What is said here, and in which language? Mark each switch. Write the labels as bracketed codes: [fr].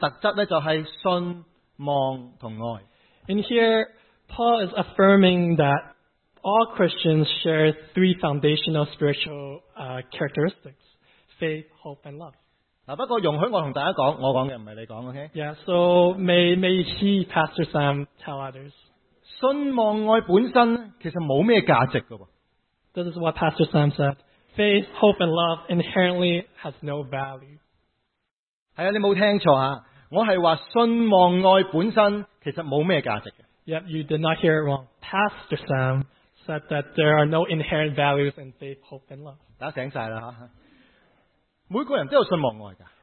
[zh] 保罗其实认同,基督徒最基本的三个属灵的特质就是信、望和爱。 [en] In here, Paul is affirming that all Christians share three foundational spiritual characteristics, faith, hope, and love. [zh] 不过容许我和大家说,我说的不是你说,okay? [en] Yeah, so may he, Pastor Sam, tell others. [zh] 信望爱本身其实没什么价值的。 [en] This is what Pastor Sam said. Faith, hope, and love inherently has no value. [zh] 是啊,你没听错啊,我是说信望爱本身其实没什么价值的。 [en] Yep, you did not hear it wrong. Pastor Sam said that there are no inherent values in faith, hope, and love. [zh] 大家醒了啊。每个人都有信望爱的。